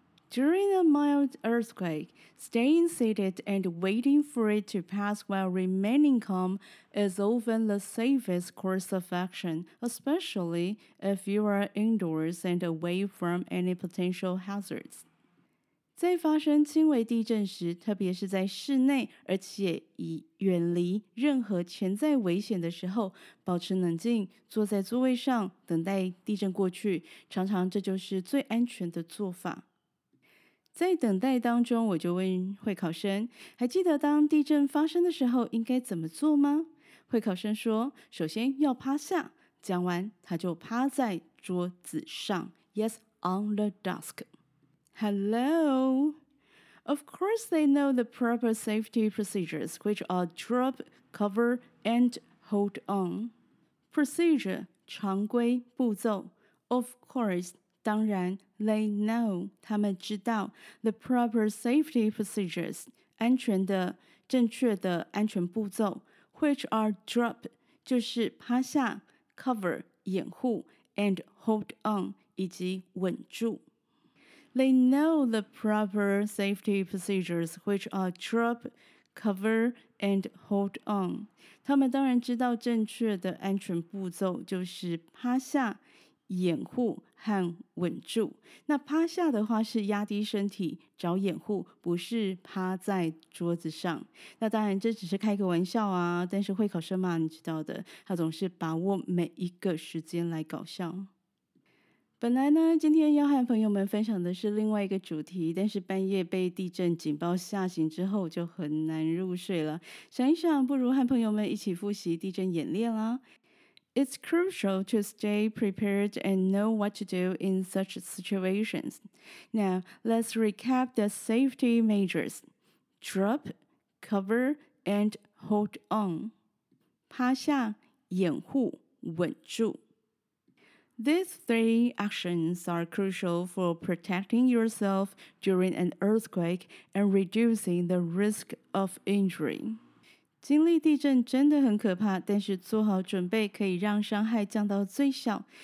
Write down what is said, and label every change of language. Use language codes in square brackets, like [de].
[en] During a mild earthquake, staying seated and waiting for it to pass while remaining calm is often the safest course of action, especially if you are indoors and away from any potential hazards. [zh] 在发生轻微地震时，特别是在室内，而且已远离任何潜在危险的时候，保持冷静，坐在座位上，等待地震过去，常常这就是最安全的做法。在等待当中，我就问会考生，还记得当地震发生的时候应该怎么做吗？会考生说，首先要趴下，讲完他就趴在桌子上。 [en] Yes, on the desk. Hello. Of course they know the proper safety procedures, which are drop, cover, and hold on. Procedure, [zh] 常规步骤。 [en] Of course, [zh] 当然 [en] they know, [zh] 他们知道 [en] the proper safety procedures, [zh] 安全的正确的安全步骤 [en] which are drop, [zh] 就是趴下 [en] cover, [zh] 掩护 [en] and hold on, [zh] 以及稳住。 [en] They know the proper safety procedures, which are drop, cover, and hold on. [zh] 他们当然知道正确的安全步骤就是趴下、掩护和稳住。那趴下的话是压低身体找掩护，不是趴在桌子上。那当然这只是开个玩笑啊，但是会考生嘛，你知道的，他总是把握每一个时间来搞笑。本来呢，今天要和朋友们分享的是另外一个主题，但是半夜被地震警报吓醒之后就很难入睡了。想一想，不如和朋友们一起复习地震演练啦。 [en] It's crucial to stay prepared and know what to do in such situations. Now, let's recap the safety measures. Drop, cover, and hold on. [zh] 趴下，掩护，稳住。 [en] These three actions are crucial for protecting yourself during an earthquake and reducing the risk of injury. [zh] 经历地震真的很可怕，但是做好准备可以让伤害降到最小。